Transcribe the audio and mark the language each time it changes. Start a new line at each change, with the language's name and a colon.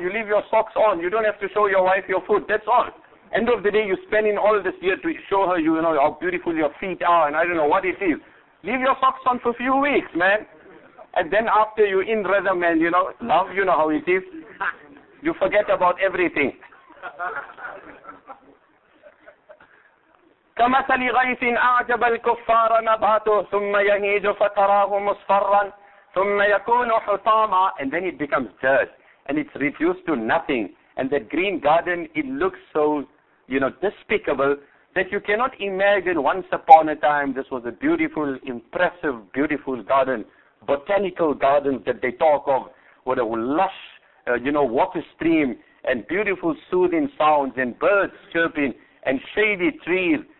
English: You leave your socks on. You don't have to show your wife your foot. That's all. End of the day, you're spending all this year to show her, you know, how beautiful your feet are and I don't know what it is. Leave your socks on for a few weeks, man. And then after you're in rhythm and, you know, love, you know how it is. You forget about everything.
Arabic: كمثل غيث أعجب الكفار نباته ثم يهيج فتراه مصفرا ثم يكون حطاما.
English: And then it becomes dirt and it's reduced to nothing. And that green garden, it looks so, you know, despicable that you cannot imagine once upon a time this was a beautiful, impressive, beautiful garden, botanical gardens that they talk of, with a lush, water stream and beautiful soothing sounds and birds chirping and shady trees.